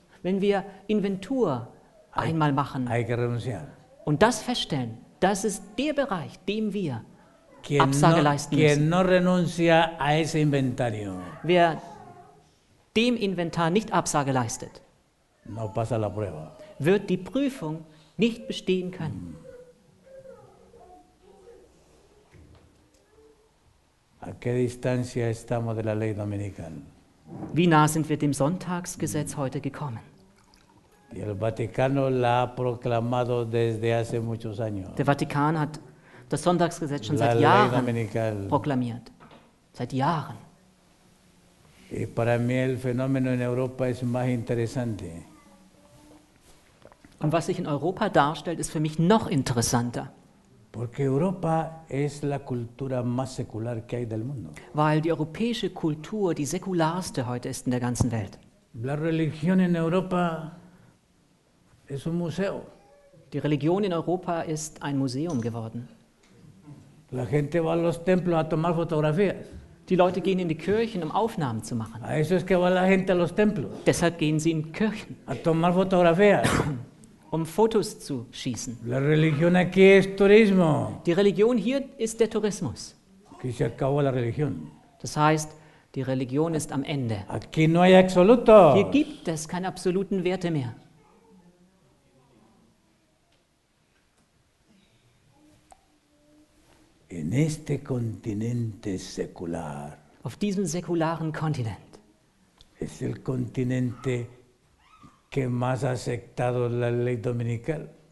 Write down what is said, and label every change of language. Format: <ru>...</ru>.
<de>Wenn wir Inventur einmal machen.</de> <es>Hay que renunciar.</es> <de>Und das feststellen. Das ist der Bereich, dem wir Absage leisten müssen.</de> <es>Quien no renuncia a ese inventario.</es> <de>Wer dem Inventar nicht Absage leistet,</de> <es>no pasa la prueba.</es> <de>Wird die Prüfung nicht bestehen können.</de> <es>¿A qué distancia estamos de la ley dominical?</es> <de>Wie nah sind wir dem Sonntagsgesetz heute gekommen?</de> <es>Y el Vaticano la ha proclamado desde hace muchos años.</es> <de>Der Vatikan hat das Sonntagsgesetz schon seit Jahren</de> <es>dominical.</es> <de>Proklamiert. Seit Jahren.</de> <es>Y para mí el fenómeno en Europa es más interesante.</es> <de>Und was sich in Europa darstellt, ist für mich noch interessanter.</de> <es>Porque Europa es la cultura más secular que hay del mundo.</es> <de>Weil die europäische Kultur die säkularste heute ist in der ganzen Welt.</de> <es>La religión en Europa es un museo.</es> <de>Die Religion in Europa ist ein Museum geworden.</de> <es>La gente va a los templos a tomar fotografías.</es> <de>Die Leute gehen in die Kirchen, um Aufnahmen zu machen.</de> <es>A eso es que va la gente a los templos.</es> <de>Deshalb gehen sie in Kirchen.</de> <es>A tomar fotografías.</es> <de>Um Fotos zu schießen.</de> <es>La religión aquí es turismo.</es> <de>Die Religion hier ist der Tourismus.</de> <es>Aquí se acabó la religión.</es> <de>Das heißt, die Religion ist am Ende.</de> <es>Aquí no hay absolutos.</es> <de>Hier gibt es keine absoluten Werte mehr.</de> <es>En este continente secular.</es> <de>Auf diesem säkularen Kontinent.</de> <es>Es el continente que más aceptado la ley dominical.</es>